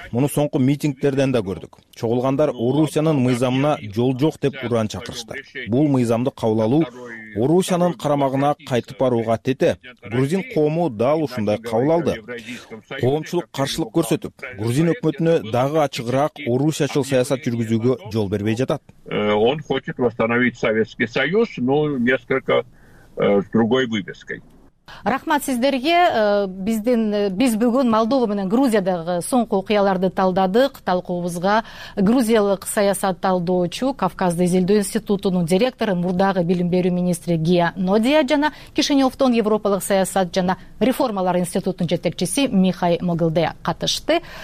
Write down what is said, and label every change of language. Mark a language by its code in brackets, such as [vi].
[ky] Муну соңку митингдерден да көрдүк. Чогулгандар Орусиянын мыйзамына жол жок деп уран чакырышты. Бул мыйзамды кабыл алуу Орусиянын карамагына кайтып барууга тете. Грузин коому дал ушундай кабыл алды. Коомчулук каршылык көрсөтүп, грузин өкмөтүнө дагы ачыгыраак Орусиячыл саясат жүргүзүү жол бербей жатат. [ru] Он хочет восстановить Советский Союз, но несколько с другой вывеской. [ky] Рахмат сиздерге. Биздин биз бүгүн Молдова менен Грузиядагы соңку окуяларды талдадык. Талкуубузга грузиялык саясат талдоочу, Кавказды изилдөө институтунун директору, мурдагы билим берүү министри Гия Нодия жана Кишиневтон Европалык саясат жана реформалар институтунун жетекчиси Михай Могылдея катышты.